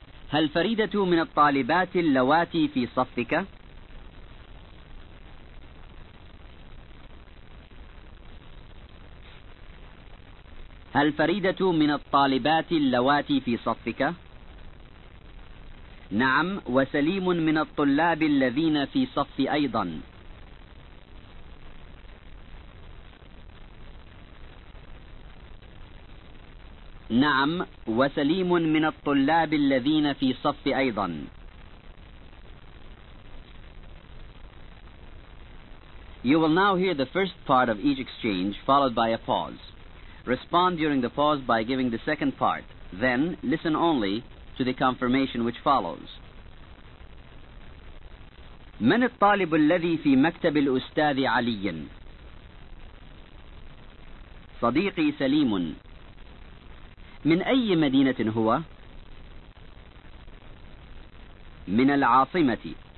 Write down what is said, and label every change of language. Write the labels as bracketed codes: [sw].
[ar] هل فريدة من الطالبات اللواتي في صفك؟ هل فريدة من الطالبات اللواتي في صفك؟ نعم، وسليم من الطلاب الذين في صف أيضا. نعم، وسليم من الطلاب الذين في صف أيضا. [en] You will now hear the first part of each exchange followed by a pause. Respond during the pause by giving the second part. Then listen only to the confirmation which follows. [ar] من الطالب الذي في مكتب الأستاذ علي؟ صديقي سليم. من أي مدينة هو؟ من العاصمة.